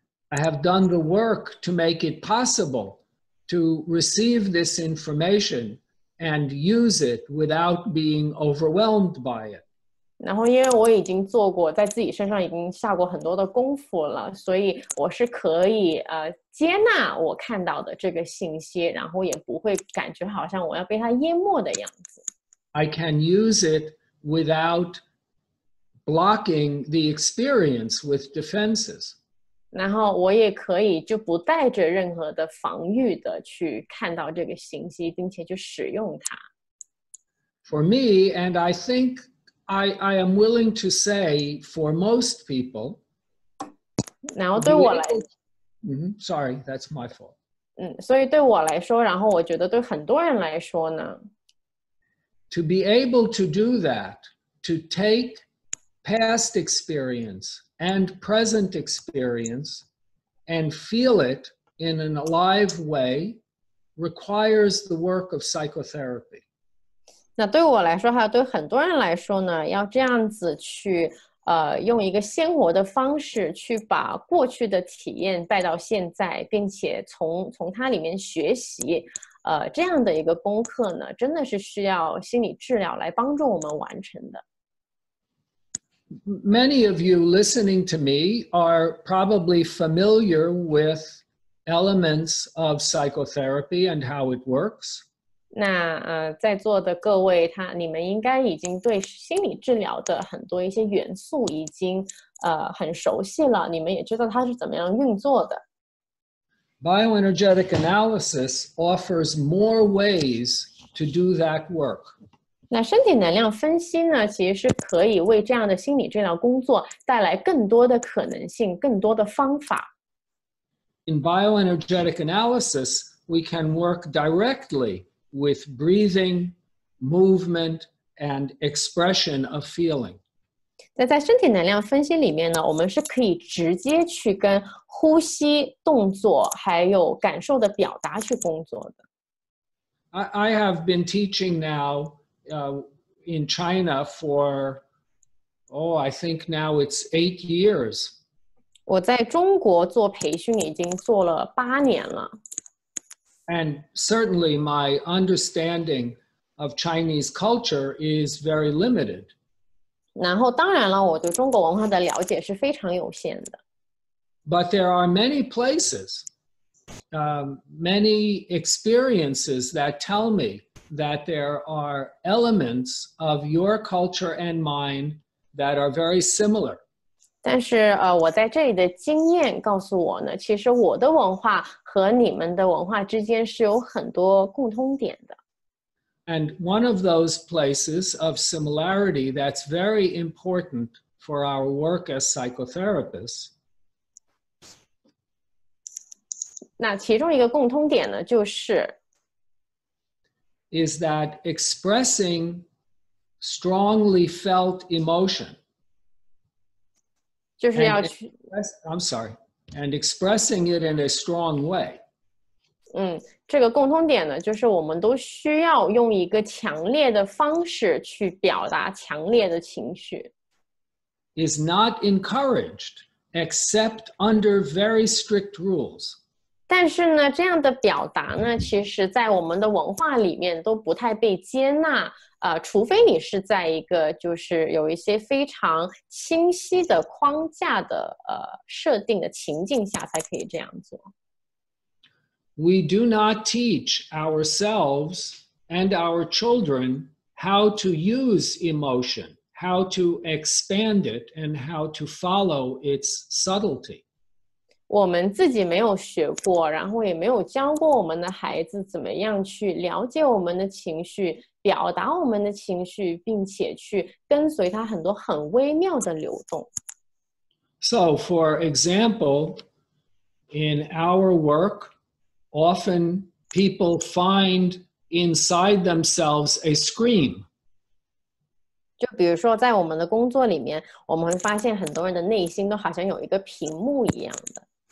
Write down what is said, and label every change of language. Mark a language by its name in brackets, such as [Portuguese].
[English] I have done the work to make it possible to receive this information and use it without being overwhelmed by it. [Chinese] 然后因为我已经做过，在自己身上已经下过很多的功夫了，所以我是可以接纳我看到的这个信息，然后也不会感觉好像我要被它淹没的样子。 [English] I can use it without blocking the experience with defenses. [Chinese] 然后我也可以就不带着任何的防御的去看到这个信息，并且去使用它。 [English] For me, and I think I am willing to say for most people, [Chinese] 然后对我来 [English] Sorry, that's my fault. [Chinese] 所以对我来说，然后我觉得对很多人来说呢。 [English] To be able to do that, to take past experience and present experience and feel it in an alive way requires the work of psychotherapy. [Chinese] 那对我来说还有对很多人来说呢，要这样子去用一个鲜活的方式去把过去的体验带到现在，并且从它里面学习这样的一个功课呢，真的是需要心理治疗来帮助我们完成的。 [English] Many of you listening to me are probably familiar with elements of psychotherapy and how it works. [Chinese] 那在座的各位，你们应该已经对心理治疗的很多一些元素已经很熟悉了，你们也知道它是怎么样运作的。 [English] Bioenergetic analysis offers more ways to do that work. [Chinese] 那身体能量分析呢，其实是可以为这样的心理治疗工作带来更多的可能性，更多的方法。 [English] In bioenergetic analysis, we can work directly with breathing, movement, and expression of feeling. [Chinese] 那在身体能量分析里面呢，我们是可以直接去跟呼吸、动作还有感受的表达去工作的。 [English] I have been teaching now in China for, I think now it's 8 years. [Chinese] 我在中国做培训已经做了八年了。 [English] And certainly my understanding of Chinese culture is very limited. [Chinese] 然后当然了，我对中国文化的了解是非常有限的。 [English] But there are many places, many experiences that tell me that there are elements of your culture and mine that are very similar. [Chinese] 但是我在这里的经验告诉我呢，其实我的文化和你们的文化之间是有很多共通点的。 [English] And one of those places of similarity that's very important for our work as psychotherapists. [Chinese] 那其中一个共通点呢，就是 [English] is that expressing strongly felt emotion. [Chinese] 就是要去 [English] and expressing it in a strong way. [Chinese] 这个共通点呢，就是我们都需要用一个强烈的方式去表达强烈的情绪。 [English] Is not encouraged except under very strict rules. [Chinese] 但是呢，这样的表达呢，其实在我们的文化里面都不太被接纳，除非你是在一个就是有一些非常清晰的框架的设定的情境下才可以这样做。 [English] We do not teach ourselves and our children how to use emotion, how to expand it, and how to follow its subtlety. [Chinese] 我们自己没有学过，然后也没有教过我们的孩子怎么样去了解我们的情绪，表达我们的情绪，并且去跟随它很多很微妙的流动。 [English] So, for example, in our work,Often people find inside themselves a scream. [Chinese] 就比如说在我们的工作里面，我们会发现很多人的内心都好像有一个屏幕一样的。